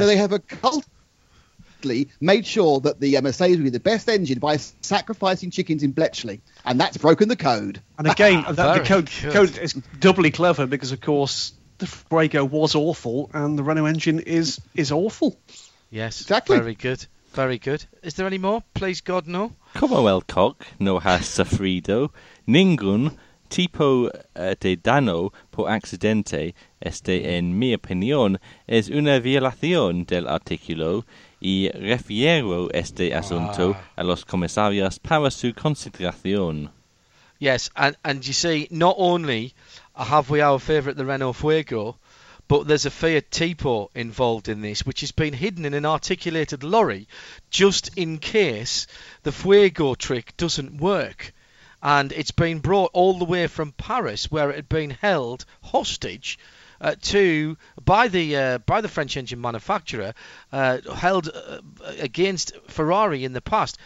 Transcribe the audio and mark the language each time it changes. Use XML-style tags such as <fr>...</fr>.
<en>So they have occultly made sure that the Mercedes will be the best engine by sacrificing chickens in Bletchley. And that's broken the code. And again, the code is doubly clever because, of course, the Fuego was awful and the Renault engine is awful. Yes, exactly. Very good. Very good. Is there any more? Please God, no.</en> <es>Como el cock no ha sufrido ningún tipo de daño por accidente, este, en mi opinión, es una violación del artículo y refiero este asunto a los comisarios para su consideración.</es> <en>Yes, and you see, not only have we our favourite, the Renault Fuego, but there's a Fiat Tipo involved in this, which has been hidden in an articulated lorry just in case the Fuego trick doesn't work. And it's been brought all the way from Paris, where it had been held hostage by the French engine manufacturer, held against Ferrari in the past.</en>